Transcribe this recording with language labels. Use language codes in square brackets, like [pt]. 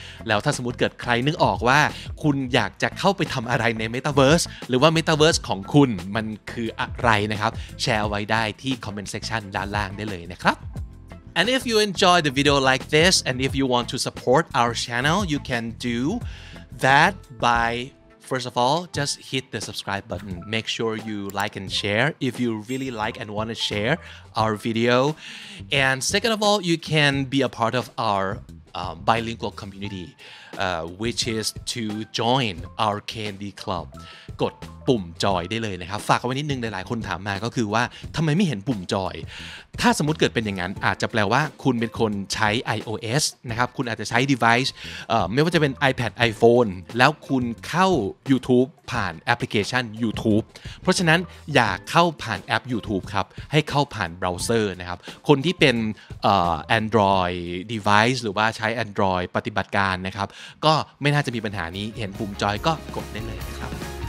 [th] แล้วถ้าสมมติเกิดใครนึกออกว่าคุณอยากจะเข้าไปทำอะไรในเมตาเวิร์สหรือว่าเมตาเวิร์สของคุณมันคืออะไรนะครับแชร์เอาไว้ได้ที่คอมเมนต์เซกชันด้านล่างได้เลยนะครับ [en] And if you enjoy the video like this, and if you want to support our channel, you can do that by, first of all, just hit the subscribe button. Make sure you like and share if you really like and want to share our video. And second of all, you can be a part of our bilingual community, which is to join our Candy Club. [th] กดปุ่มจอยได้เลยนะครับฝากเอาไว้นิดนึงหลายๆคนถามมาก็คือว่าทำไมไม่เห็นปุ่มจอยถ้าสมมติเกิดเป็นอย่างนั้นอาจจะแปลว่าคุณเป็นคนใช้ iOS นะครับคุณอาจจะใช้ device ไม่ว่าจะเป็น iPad iPhone แล้วคุณเข้า YouTube ผ่านแอปพลิเคชัน YouTube เพราะฉะนั้นอย่าเข้าผ่านแอป YouTube ครับให้เข้าผ่านเบราว์เซอร์นะครับคนที่เป็น Android device หรือว่าใช้ Android ปฏิบัติการนะครับก็ไม่น่าจะมีปัญหานี้เห็นปุ่มจอยก็กดได้เลยนะครับ